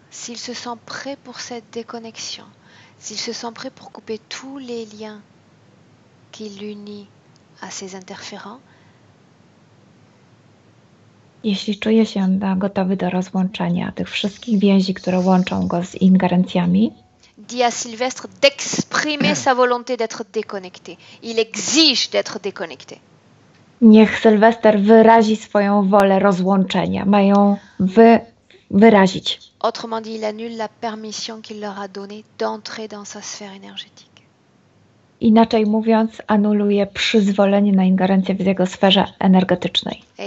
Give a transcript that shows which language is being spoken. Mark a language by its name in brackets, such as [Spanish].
[French] S'il se sent prêt pour cette déconnexion, s'il se sent prêt pour couper tous les liens qui l'unit à ses interférents. [Polish] Jeśli czuje się gotowy do rozłączenia tych wszystkich więzi, które łączą go z ingerencjami. [French] Dit à Sylvestre d'exprimer sa volonté d'être déconnecté. Il exige d'être déconnecté. [Polish] Niech Sylwester wyrazi swoją wolę rozłączenia. Ma ją wyrazić. [French] Autrement dit, il annule la permission qu'il leur a donnée d'entrer dans sa sphère énergétique. [Polish] Inaczej mówiąc, anuluje przyzwolenie na ingerencję w jego sferze energetycznej.